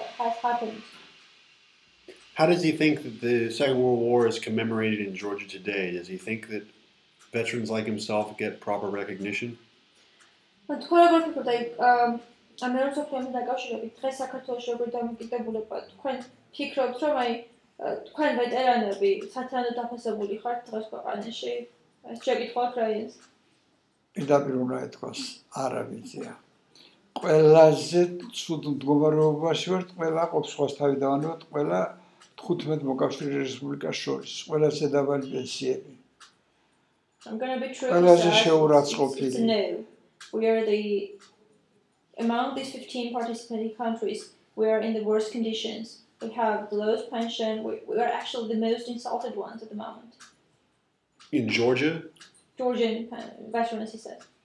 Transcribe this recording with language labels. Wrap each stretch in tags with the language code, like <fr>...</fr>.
<en>He wants everyone to remember what has happened. How does he think that the Second World War is commemorated in Georgia today? Does he think that veterans like himself get proper recognition?</en> <ka>ყველაზე ცუდ მდგომარეობაში ვართ, ყველა ყოფს სხვას თავი დავანებოთ, ყველა 15 მოკავშირე რესპუბლიკას შორის, ყველაზე დაბალი პენსიები. ყველაზე შეურაცხყოფილი.</ka> <en>We are the among these 15 participating countries, we are in the worst conditions. We have the lowest pension, we are actually the most insulted ones at the moment. In Georgia? Georgian veteran, as he said.</en>